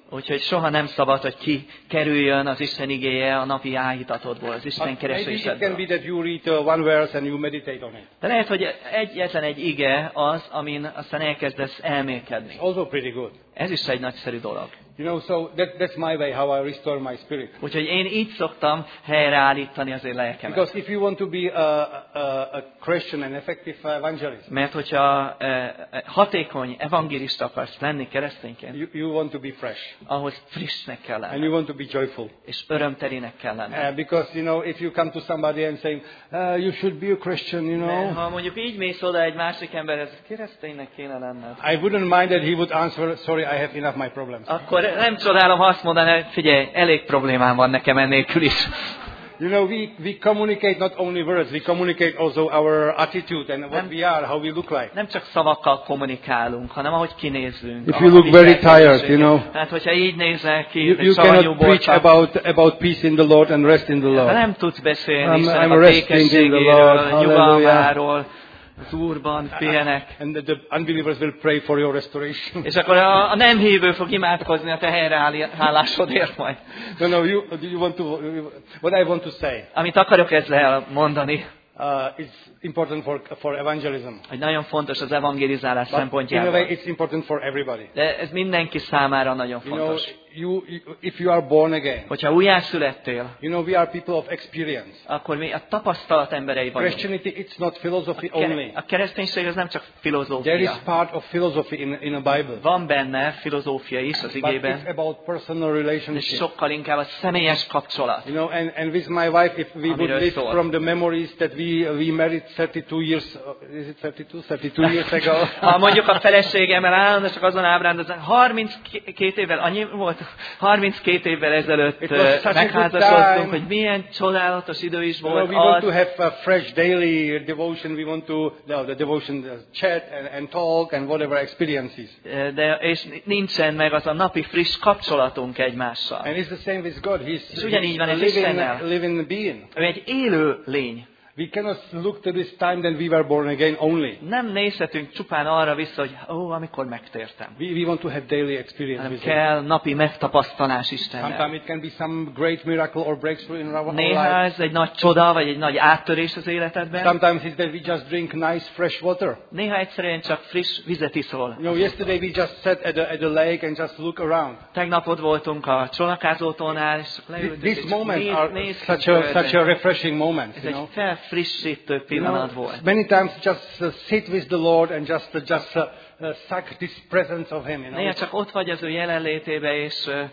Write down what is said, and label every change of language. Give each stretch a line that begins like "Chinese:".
Hungarian: Úgyhogy soha nem szabad, hogy ki kerüljön az Isten igéje a napi áhítatodból, az Isten keresésedből. De lehet, hogy egyetlen egy ige az, amin aztán elkezdesz elmélkedni. Ez is egy nagyszerű dolog.
English: You know, so that's my way how I restore my spirit.
Hungarian: Úgyhogy én így szoktam helyreállítani az én lelkemet.
English: Because if you want to be a Christian and effective evangelist.
Hungarian: Mert hogyha hatékony evangélista akarsz lenni keresztényként.
English: You want to be fresh.
Hungarian: Ahhoz frissnek kell lenni.
English: And you want to be joyful.
Hungarian: És örömterinek kell lenni.
English: Because you know, if you come to somebody and say, you should be a Christian, you know.
Hungarian: Mert ha mondjuk így mész oda egy másik emberhez, kereszténynek kéne lenned.
English: I wouldn't mind that he would answer, sorry, I have enough my problems.
Hungarian: Akkor nem csodálom, ha azt mondaná, figyelj, elég problémám van nekem ennélkül is.
English: You know, we communicate not only words, we communicate also our attitude and what we are, how we look like.
Hungarian: Nem csak szavakkal kommunikálunk, hanem ahogy kinézünk.
English: If you look very tired, you know.
Hungarian: Tehát, hogyha így nézel ki,
English: you cannot preach about peace in the Lord and rest in the Lord.
Hungarian: Nem tudsz beszélni,
English: I'm resting in the Lord.
Hungarian: Nyugalmáról. Az Úrban pihenek.
English: And the unbelievers will pray for your restoration.
Hungarian: És akkor a nem hívő fog imádkozni a te helyreállásodért majd.
English: No, you want to, what I want to say.
Hungarian: Amit akarok ezzel mondani.
English: It's important for evangelism.
Hungarian: Hogy nagyon fontos az evangelizálás szempontjából.
English: In a way, it's important for everybody.
Hungarian: De ez mindenki számára nagyon fontos.
English: You know, if you are born again.
Hungarian: Hogyha újjászülettél.
English: You know, we are people of experience.
Hungarian: Akkor mi a tapasztalat emberei vagyunk.
English: Christianity, it's not philosophy only.
Hungarian: A kereszténység az nem csak filozófia.
English: There is part of philosophy in a Bible.
Hungarian: Van benne filozófia is az igében.
English: But it's about personal relationship.
Hungarian: És sokkal inkább a személyes kapcsolat.
English: You know, and with my wife, if we would live from the memories that we married 32 years, is it 32? 32 years ago.
Hungarian: Ha mondjuk a feleségemmel állandóan csak azon ábrándoznak, 32 évvel, annyi volt, 32 évvel ezelőtt megházasodtunk, hogy milyen csodálatos idő is volt.
English: You know, we want to have a fresh daily devotion, we want to, the devotion, chat and talk and whatever experiences.
Hungarian: De, és nincsen meg az a napi friss kapcsolatunk egymással.
English: And it's the same with God,
Hungarian: és ugyanígy van
English: living being.
Hungarian: Ő egy élő lény.
English: We cannot look to this time that we were born again only.
Hungarian: Nem nézhetünk csupán arra vissza, hogy amikor megtértem.
English: We want to have daily experience.
Hungarian: Nem kell napi megtapasztalás Istennel.
English: Sometimes it can be some great miracle or breakthrough in our life.
Hungarian: Néha ez egy nagy csoda vagy egy nagy áttörés az életedben.
English: Sometimes it's that we just drink nice fresh water.
Hungarian: Néha egyszerűen csak friss vizet iszol.
English: You know, yesterday we just sat at the lake and just look around.
Hungarian: Tegnap ott voltunk a csónakázótónál, és leültünk.
English: This moment is such a refreshing moment, you know.
Hungarian: Frissítő pillanat volt.
English: Many times just sit with the Lord and just suck this presence of him, you know.
Hungarian: Néha csak ott vagy az ő jelenlétében, és